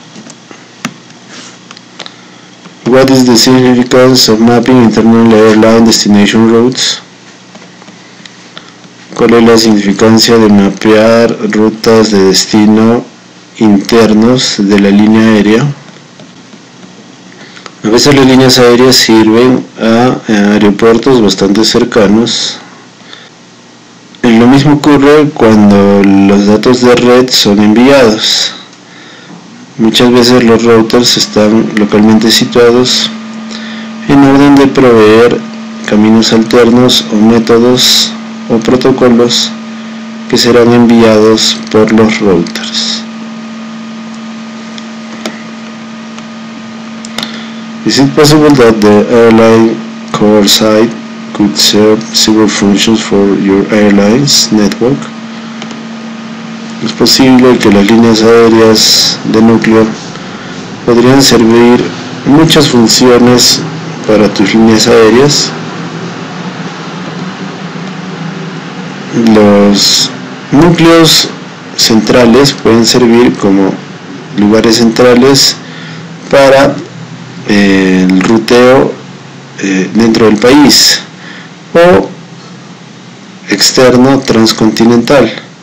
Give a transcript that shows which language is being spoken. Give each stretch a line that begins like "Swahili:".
English: What is the significance of mapping internal airline destination routes?
Spanish: ¿Cuál es la significancia de mapear rutas de destino internos de la línea aérea? A veces las líneas aéreas sirven a aeropuertos bastante cercanos. Lo mismo ocurre cuando los datos de red son enviados. Muchas veces los routers están localmente situados en orden de proveer caminos alternos o métodos o protocolos que serán enviados por los routers.
English: Is it possible that the airline core site could serve several functions for your airline's network?
Spanish: ¿Es posible que las líneas aéreas de núcleo podrían servir muchas funciones para tus líneas aéreas? Los núcleos centrales pueden servir como lugares centrales para el ruteo dentro del país o externo transcontinental.